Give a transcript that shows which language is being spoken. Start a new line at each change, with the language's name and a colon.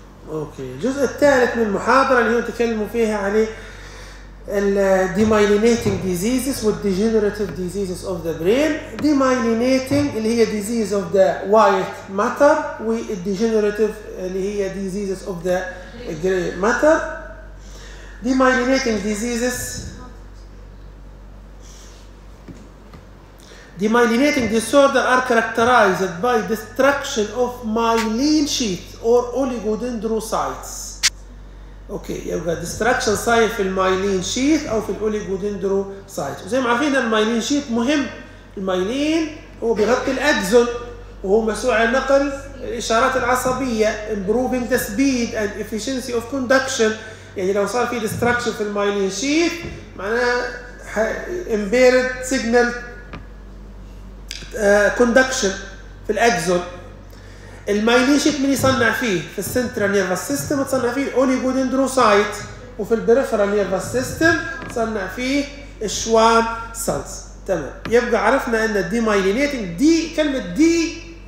Arabic: اوكي الجزء الثالث من المحاضرة اللي هو تكلموا فيها عن الديمايلينيتنج ديزيزز والديجنريتيف ديزيزز اوف ذا برين. ديمايلينيتنج اللي هي ديزيز اوف ذا وايت ماتر، والديجنريتيف اللي هي ديزيزز اوف ذا جراي ماتر.
English: Demyelinating diseases The myelinating disorder are characterized by destruction of myelin sheath or oligodendrocytes. Okay, you have destruction sign في myelin sheath
Arabic: أو في
English: oligodendrocytes.
Arabic: وزي ما عارفين myelin sheath مهم. المايلين هو بيغطي الأكسون وهو مسؤول عن نقل الإشارات العصبية.
English: Improving the speed and efficiency of conduction.
Arabic: يعني لو صار في destruction في myelin sheath معناها
English: impaired signal
Arabic: كوندكشن في الاكسون. المايلين شيت من يصنع فيه في السنترال نيرفس سيستم تصنع فيه اوليغودندروسايت، وفي البريفرال نيرفس سيستم تصنع فيه الشوان سيلز. تمام يبقى عرفنا ان الدي مايلينيتنج دي كلمه دي